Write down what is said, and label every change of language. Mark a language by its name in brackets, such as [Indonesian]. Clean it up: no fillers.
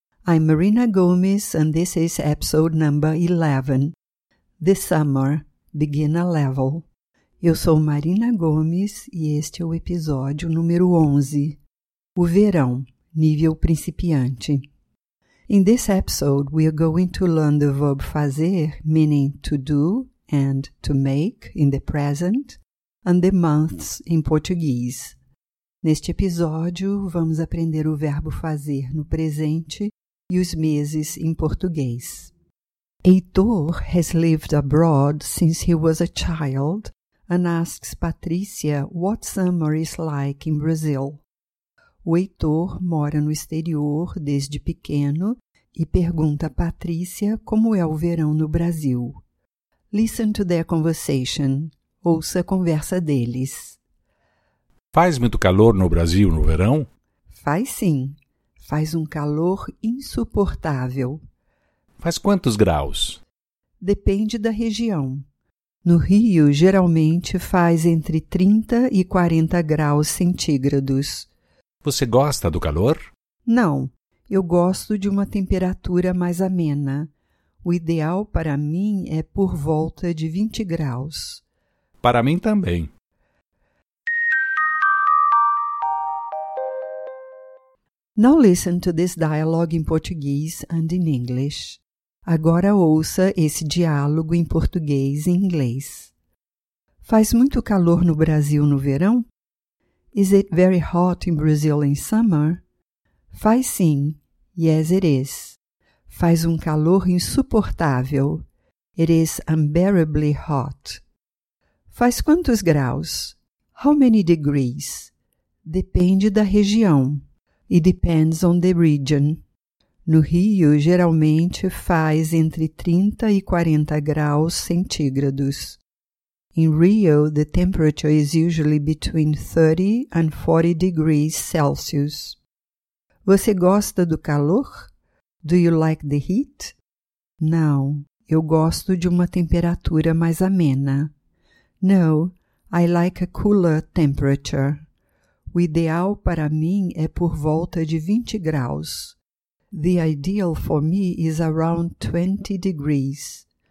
[English] I'm Marina Gomes and this is episode number 11. This summer, beginner level. [Portuguese] Eu sou Marina Gomes e este é o episódio número 11. O verão, nível principiante. [English] In this episode, we are going to learn the verb fazer, meaning to do and to make in the present, and the months in Portuguese. [Portuguese] Neste episódio, vamos aprender o verbo fazer no presente e os meses em português. [English] Heitor has lived abroad since he was a child and asks Patrícia what summer is like in Brazil. [Portuguese] O Heitor mora no exterior desde pequeno e pergunta a Patrícia como é o verão no Brasil. [English] Listen to their conversation. [Portuguese] Ouça a conversa deles. Faz muito calor no Brasil no verão? Faz sim. Faz um calor insuportável. Faz quantos graus? Depende da região. No Rio, geralmente faz entre 30 e 40 graus centígrados. Você gosta do calor? Não. Eu gosto de uma temperatura mais amena. O ideal para mim é por volta de 20 graus. Para mim também. [English] Now listen to this dialogue in Portuguese and in English. [Portuguese] Agora ouça esse diálogo em português e inglês. Faz muito calor no Brasil no verão? [English] Is it very hot in Brazil in summer? [Portuguese] Faz sim. [English] Yes, it is. [Portuguese] Faz um calor insuportável. [English] It is unbearably hot. [Portuguese] Faz quantos graus? [English] How many degrees? [Portuguese] Depende da região. [English] It depends on the region. [Portuguese] No Rio, geralmente faz entre 30 e 40 graus centígrados. [English] In Rio, the temperature is usually between 30 and 40 degrees Celsius. [Portuguese] Você gosta do calor? [English] Do you like the heat? [Portuguese] Não, eu gosto de uma temperatura mais amena. [English] No, I like a cooler temperature. [Portuguese] O ideal para mim é por volta de 20 graus. [English] The ideal for me is around 20 degrees.